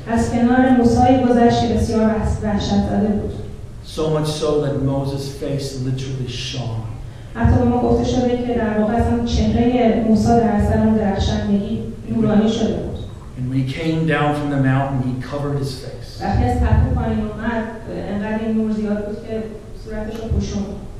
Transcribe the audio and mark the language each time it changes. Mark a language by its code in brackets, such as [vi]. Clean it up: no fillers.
[fa] از کنار موسی گذشت بسیار وحشت زده بود. [en] So much so that Moses' face literally shone. [fa] حتی به ما گفته شده که در واقع اصلا چهره موسی در اثر اون درخشندگی نورانی شده بود. [en] And when he came down from the mountain, he covered his face. [fa] وقتی از تپه پایین اومد، انقدر این نور زیاد بود که صورتش رو پوشوند.